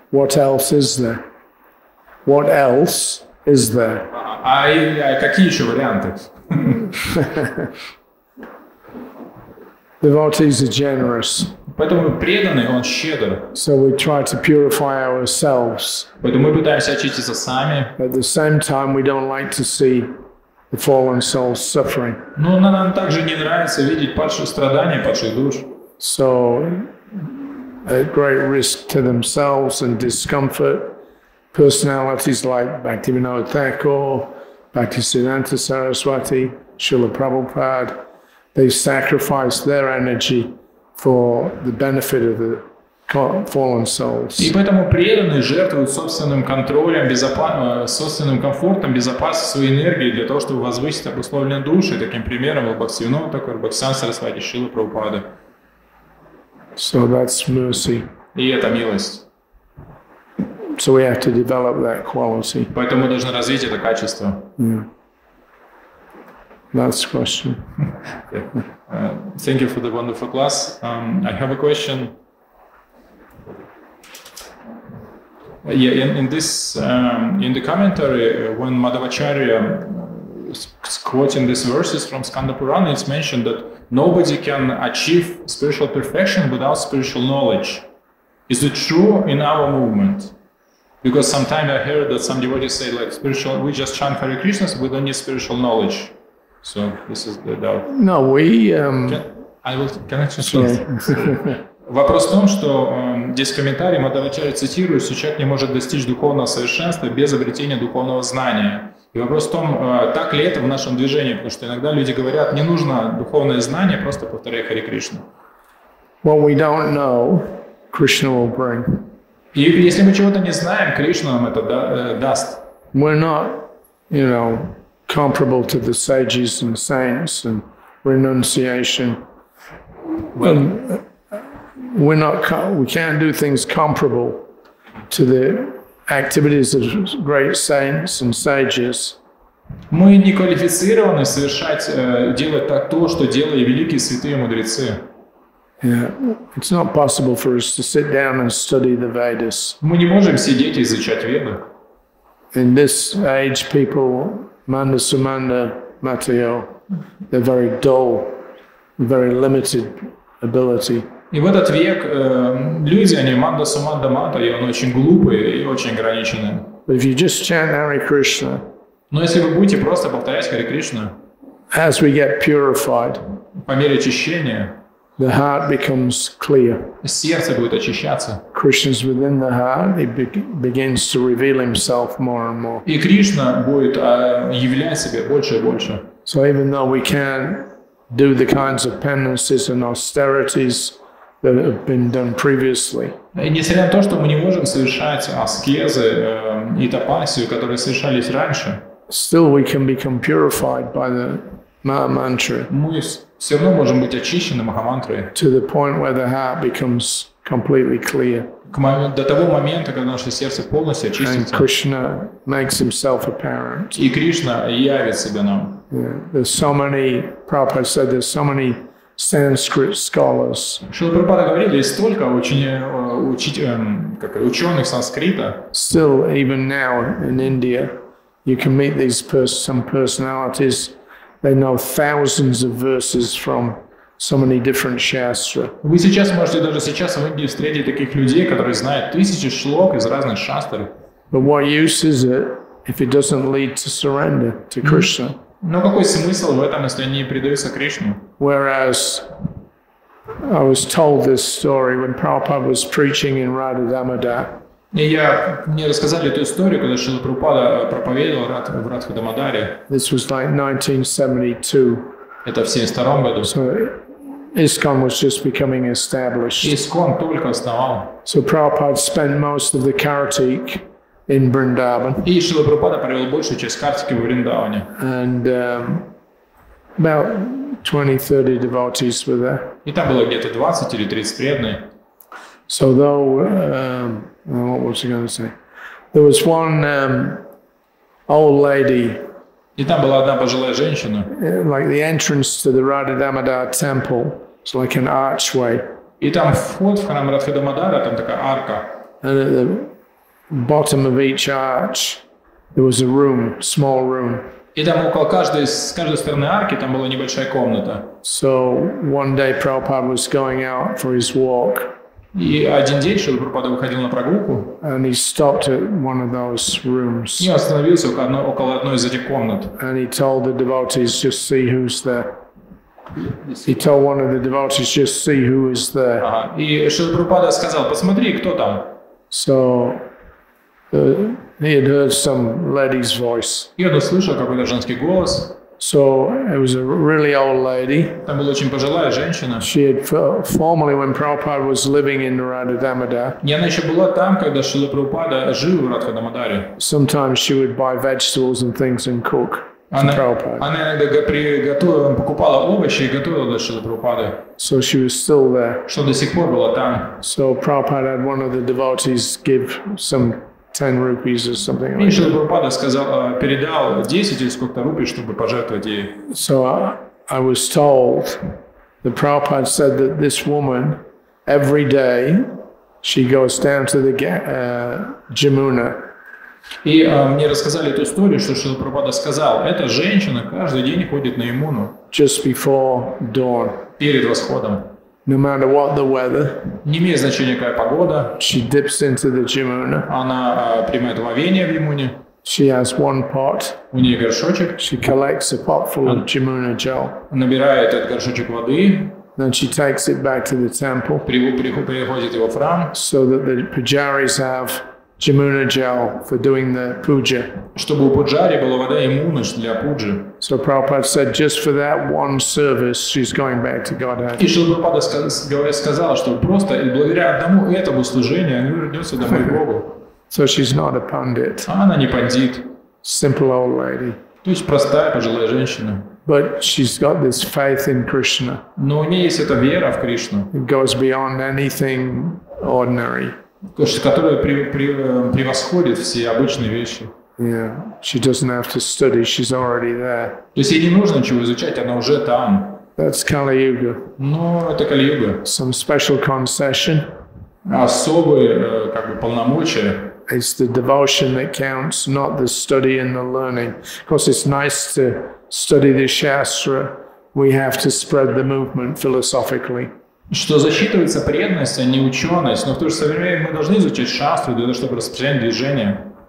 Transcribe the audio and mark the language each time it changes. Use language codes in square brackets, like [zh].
[en] What else is there? What else is there? [ru] А какие еще варианты? [en] Devotees are generous. [ru] Поэтому преданный, он щедр. [en] So we try to purify ourselves. [ru] Поэтому мы пытаемся очиститься сами. [en] At the same time, we don't like to see the fallen souls suffering. [ru] Но нам также не нравится видеть падших страданий, падших душ. [en] So, at great risk to themselves and discomfort, personalities like Bhaktivinoda Thakur, Bhaktisiddhanta Saraswati, Srila Prabhupada, they sacrifice their energy for the benefit of the fallen souls. [ru] И поэтому преданные жертвуют собственным контролем, собственным комфортом, безопасностью своей энергии для того, чтобы возвысить обусловленные души. Таким примером был Бхактивинода Тхакур, Бхактисиддханта Сарасвати, Шрила Прабхупада. [en] So that's mercy. [ru] И это милость. [en] So we have to develop that quality. [ru] Поэтому мы должны развить это качество. [en] Yeah. Last question. Thank you for the wonderful class. I have a question. In the commentary, when Madhavacharya is quoting these verses from Skanda Purana, it's mentioned that nobody can achieve spiritual perfection without spiritual knowledge. Is it true in our movement? Because sometimes I heard that some devotees say, like, spiritual, we just chant Hare Krishna, we don't need spiritual knowledge. So this is the doubt. No, we. [ru] Вопрос в том, что здесь комментарий Мадхавачарья цитирует, что человек не может достичь духовного совершенства без обретения духовного знания. И вопрос в том, так ли это в нашем движении, потому что иногда люди говорят, не нужно духовное знание, просто повторяй Хари Кришну. [en] What we don't know, Krishna will bring. [ru] И если мы чего-то не знаем, Кришна нам это даст. [en] We're not, you know, comparable to the sages and saints and renunciation. Well, we can't do things comparable to the activities of great saints and sages. [ru] Мы не квалифицированы делать то, что делали великие святые мудрецы. [en] Yeah, it's not possible for us to sit down and study the Vedas. [ru] Мы не можем сидеть и изучать Веды. [en] In this age, people. Manda, Sumanda, Matteo, they're very dull, very limited ability. [ru] И в этот век люди, они Manda, Sumanda, Matteo, они очень глупые и очень ограниченные. [en] But if you just chant Hare Krishna, [ru] но если вы будете просто повторять Hare Krishna, [en] as we get purified, [ru] по мере очищения, [en] the heart becomes clear. [ru] Сердце будет очищаться. [en] Krishna's within the heart. He begins to reveal himself more and more. [ru] И Кришна будет являть себя больше и больше. [en] So even though we can't do the kinds of penances and austerities that have been done previously. [ru] И несмотря на то, что мы не можем совершать аскезы и тапасию, которые совершались раньше. [en] Still we can become purified by the Maha Mantra. [ru] Мы все равно можем быть очищены Махамантрой. [en] To the point where the heart becomes completely clear. [ru] До того момента, когда наше сердце полностью очистится. [en] And Krishna makes himself apparent. [ru] И Кришна явит себя нам. [en] Yeah. There's so many, Prabhupada said, there's so many Sanskrit scholars. [ru] Шрила Прабхупада говорил, есть столько ученых санскрита. [en] Still, even now in India, you can meet these some personalities. They know thousands of verses from so many different shastra. [ru] Вы сейчас можете даже сейчас в Индии встретить таких людей, которые знают тысячи шлок из разных шастр. [en] But what use is it if it doesn't lead to surrender to Krishna? [ru] Но какой смысл в этом, если они предаются Кришне? [en] Whereas I was told this story when Prabhupada was preaching in Radha-Damodar. [ru] Мне рассказали эту историю, когда Шрила Прабхупада проповедовал в Радха-Дамодаре. [en] This was like 1972. [ru] Это в 72 году. [en] So ISKCON was just becoming established. [ru] ISKCON только основал. [en] So Prabhupada spent most of the Kartik in Vrindavan. [ru] И Шрила Прабхупада провел большую часть Картики в Вриндаване. [en] And about 20-30 devotees were there. [ru] И там было где-то 20 или 30 преданных. [en] So though, what was I going to say? There was one old lady. [ru] И там была одна пожилая женщина. [en] Like the entrance to the Radha-Damodar temple, it's like an archway. [ru] И там вход в храм Радха-Дамодара, там такая арка. [en] And at the bottom of each arch, there was a room, small room. [ru] И там около каждой стороны арки там была небольшая комната. [en] So one day Prabhupada was going out for his walk. [ru] И один день Шрила Прабхупада выходил на прогулку. [en] And he stopped at one of those rooms. [ru] И остановился около одной из этих комнат. [en] And he told the devotees, just see who's there. He told one of the devotees, just see who is there. [ru] И Шрила Прабхупада сказал, посмотри, кто там. [en] So he had heard some lady's voice. [ru] И он услышал какой-то женский голос. [en] So it was a really old lady. [ru] Там была очень пожилая женщина. [en] She had formerly, when Prabhupada was living in Radha-Damodar. [ru] И она еще была там, когда Шрила Прабхупада жил в Радха-Дамодаре. [en] Sometimes she would buy vegetables and things and cook for Prabhupada. [ru] Она иногда покупала овощи и готовила для Шрилы Прабхупады. [en] So she was still there. [ru] Что до сих пор была там. [en] So Prabhupada had one of the devotees give some 10 rupees or something like that. [ru] Шрила Прабхупада сказал, передал 10 или сколько-то рупий, чтобы пожертвовать ей. [en] So I was told that Prabhupada said that this woman every day she goes down to the Jamuna. [ru] И мне рассказали эту историю, что Шрила Прабхупада сказал, эта женщина каждый день ходит на Ямуну. [en] Just before dawn. [ru] Перед восходом. [en] No matter what the weather, [ru] не имеет значения, какая погода, [en] she dips into the Jamuna. [ru] Она принимает омовение в Ямуне. [en] She has one pot. [ru] У нее горшочек. [en] She collects a pot full of Jamuna gel. [ru] Набирает этот горшочек воды. [en] Then she takes it back to the temple. [ru] Приходит его в храм. [en] So that the pujaris have Jamuna gel for doing the puja. [ru] Чтобы у пуджари была вода Ямуны для пуджи. [en] So Prabhupada said, just for that one service, she's going back to Godhead. [ru] И Шрила Прабхупада сказал, что просто благодаря одному этому служению она вернется домой к Богу. [en] So she's not a pundit. [ru] Она не пандит. [en] Simple old lady. [ru] То есть простая пожилая женщина. [en] But she's got this faith in Krishna. [ru] Но у нее есть эта вера в Кришну. [en] It goes beyond anything ordinary. [ru] Которая превосходит все обычные вещи. [en] Yeah, she doesn't have to study, she's already there. [ru] То есть ей не нужно ничего изучать, она уже там. [en] That's Kali-Yuga. [ru] Но это Кали-Юга. [en] Some special concession. [ru] Особые полномочия. [en] It's the devotion that counts, not the study and the learning. Of course, it's nice to study the Shastra. We have to spread the movement philosophically. [ru] Что засчитывается преданность, а не ученость. Но в то же самое время мы должны изучать шастру, для того, чтобы распространять движение.